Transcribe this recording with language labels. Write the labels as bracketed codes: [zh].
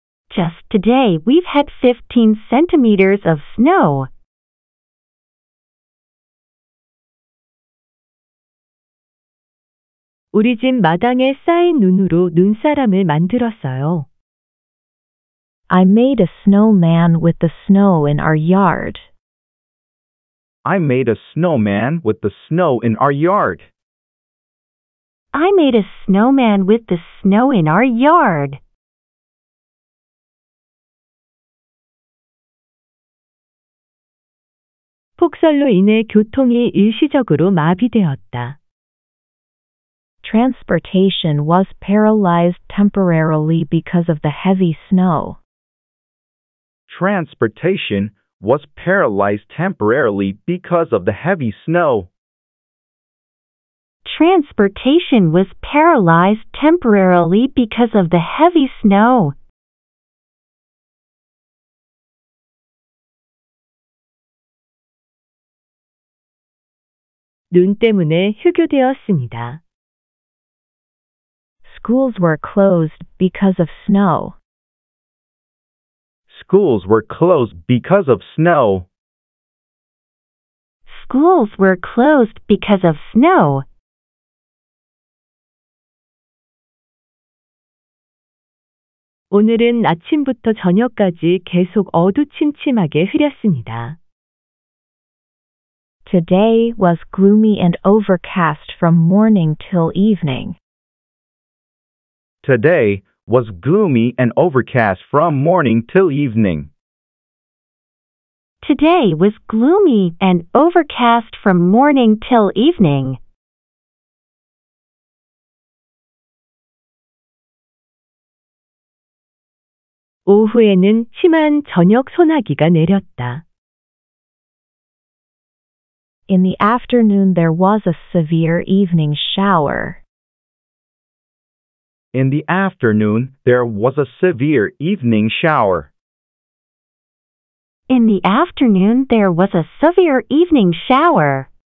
[en] Just today we've had 15 centimeters of snow. [ko] 우리 집 마당에 쌓인 눈으로 눈사람을 만들었어요. [en] I made a snowman with the snow in our yard. I made a snowman with the snow in our yard. I made a snowman with the snow in our yard. [ko] 폭설로 인해 교통이 일시적으로 마비되었다. [en] Transportation was paralyzed temporarily because of the heavy snow. Transportation was paralyzed temporarily because of the heavy snow. Transportation was paralyzed temporarily because of the heavy snow. [ko] 눈 때문에 휴교되었습니다. [en] schools were closed because of snow. Schools were closed because of snow. Schools were closed because of snow. [ko] 오늘은 아침부터 저녁까지 계속 어두침침하게 흐렸습니다. [en] Today was gloomy and overcast from morning till evening. Today was gloomy and overcast from morning till evening. Today was gloomy and overcast from morning till evening. [ko] 오후에는 심한 저녁 소나기가 내렸다. [en] In the afternoon there was a severe evening shower. In the afternoon there was a severe evening shower. In the afternoon there was a severe evening shower.